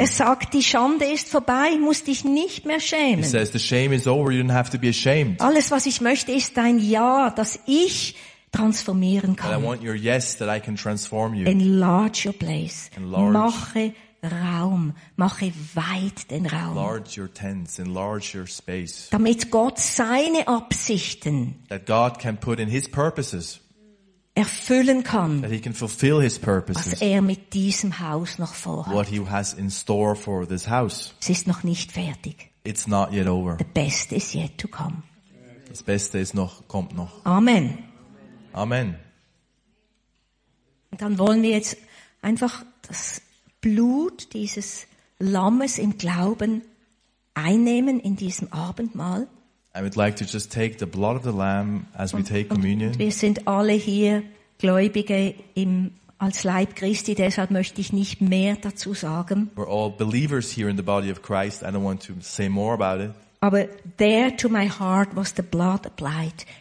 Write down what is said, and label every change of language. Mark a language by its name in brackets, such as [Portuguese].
[German] Er sagt, die Schande ist vorbei, musst dich nicht mehr schämen. [English] He says, the shame is over, you don't have to be ashamed. [German] Alles, was ich möchte, ist dein Ja, dass ich transformieren kann. [English] But I want your yes, that I can transform you. Enlarge your place. Enlarge. [German] Mache Raum, mache weit den Raum. [English] Enlarge your tents, enlarge your space. [German] Damit Gott seine Absichten [English] that God can put in his purposes, [German] erfüllen kann. [English] That he can fulfill his purposes, [German] was er mit diesem Haus noch vorhat. [English] What he has in store for this house. [German] Es ist noch nicht fertig. [English] It's not yet over. The best is yet to come. [German] Das Beste ist noch, kommt noch. Amen. [English] Amen. [German] Und dann wollen wir jetzt einfach das Blut dieses Lammes im Glauben einnehmen in diesem Abendmahl. [English] I would like to just take the blood of the Lamb as we take communion. [German] Wir sind alle hier Gläubige als Leib Christi, deshalb möchte ich nicht mehr dazu sagen. [English] We're all believers here in the body of Christ. I don't want to say more about it. Aber there to my heart was the blood applied.